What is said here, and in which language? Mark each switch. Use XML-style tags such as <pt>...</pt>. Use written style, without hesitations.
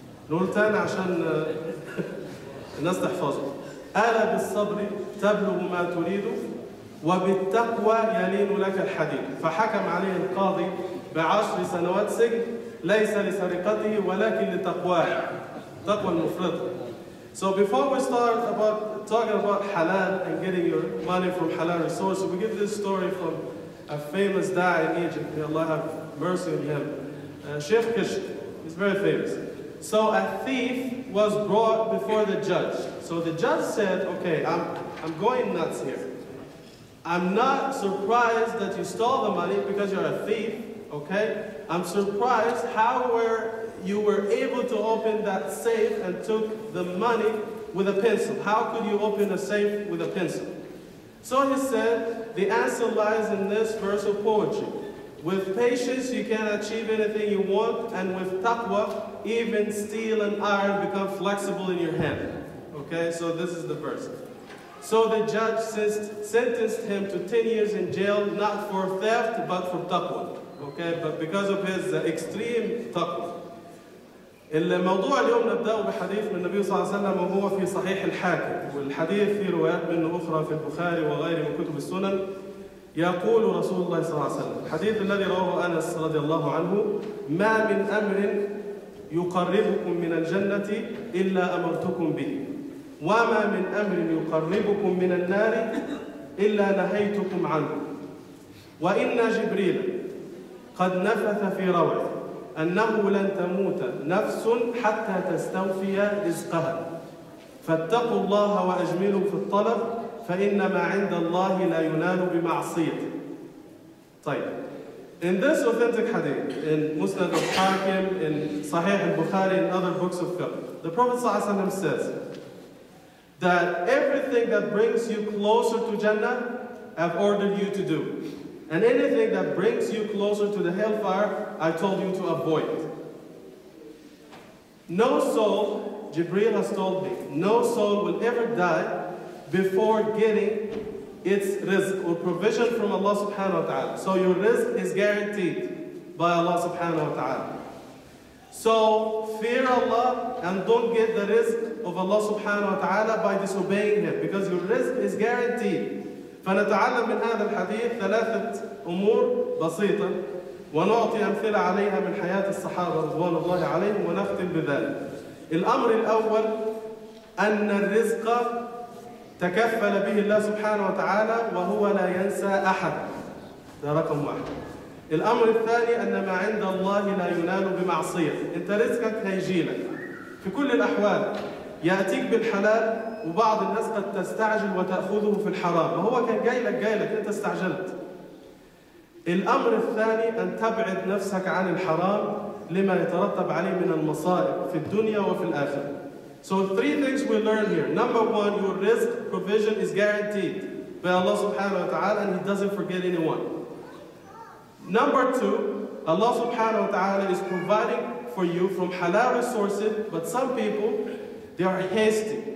<ar>نقول تاني عشان الناس تحفظه: ألا بالصبر تبلغ ما تريد وبالتقوى يلين لك الحديد. فحكم عليه القاضي ب10 سنوات سجن ليس لسرقته ولكن لتقواه، تقوى المفرط.</ar> <en>So before we start about talking about halal and getting your money from halal resources, we give this story from a famous da'i in Egypt. May Allah have mercy on him. Sheikh Kishk is very famous. So a thief was brought before the judge. So the judge said, okay, I'm going nuts here. I'm not surprised that you stole the money because you're a thief, okay? I'm surprised how you were able to open that safe and took the money with a pencil. How could you open a safe with a pencil? So he said, the answer lies in this verse of poetry. With patience, you can achieve anything you want, and with taqwa, even steel and iron become flexible in your hand. Okay, so this is the verse. So the judge sentenced him to 10 years in jail, not for theft, but for taqwa. Okay, but because of his extreme taqwa.</en> <ar>الموضوع اليوم نبدأه بحديث من النبي صلى الله عليه وسلم وهو في صحيح الحاكم، والحديث في روايات منه أخرى في البخاري وغيره من كتب السنن. يقول رسول الله صلى الله عليه وسلم، الحديث الذي رواه أنس رضي الله عنه: ما من أمر يقربكم من الجنة إلا أمرتكم به، وما من أمر يقربكم من النار إلا نهيتكم عنه، وإن جبريل قد نفث في روعه أنه لن تموت نفس حتى تستوفي رزقها، فاتقوا الله وأجملوا في الطلب، فإنما عند الله لا ينال بمعصية.</ar> <en>طيب، in this authentic hadith, in Musnad al-Hakim, in Sahih al-Bukhari, in other books of fiqh, the Prophet صلى الله عليه وسلم says that everything that brings you closer to Jannah, I've ordered you to do. And anything that brings you closer to the hellfire, I told you to avoid. No soul, Jibreel has told me, no soul will ever die before getting its rizq or provision from Allah subhanahu wa ta'ala. So your rizq is guaranteed by Allah subhanahu wa ta'ala. So fear Allah and don't get the rizq of Allah subhanahu wa ta'ala by disobeying Him, because your rizq is guaranteed.</en> <ar>فنتعلم من هذا الحديث 3 أمور بسيطة ونعطي أمثلة عليها من حياة الصحابة رضوان الله عليهم ونختم بذلك. الأمر الأول أن الرزق تكفل به الله سبحانه وتعالى وهو لا ينسى أحد، ده رقم واحد. الأمر الثاني أن ما عند الله لا ينال بمعصية. أنت رزقك هيجيلك في كل الأحوال، يأتيك بالحلال وبعض الناس قد تستعجل وتأخذه في الحرام، هو كان جاي لك أنت استعجلت. الأمر الثاني أن تبعد نفسك عن الحرام لما يترتب عليه من المصائب في الدنيا وفي الآخرة.</ar> <en>So three things we learn here. Number one, your risk provision is guaranteed by Allah subhanahu wa ta'ala and He doesn't forget anyone. Number two, Allah subhanahu wa ta'ala is providing for you from halal resources, but some people, they are hasty.</en>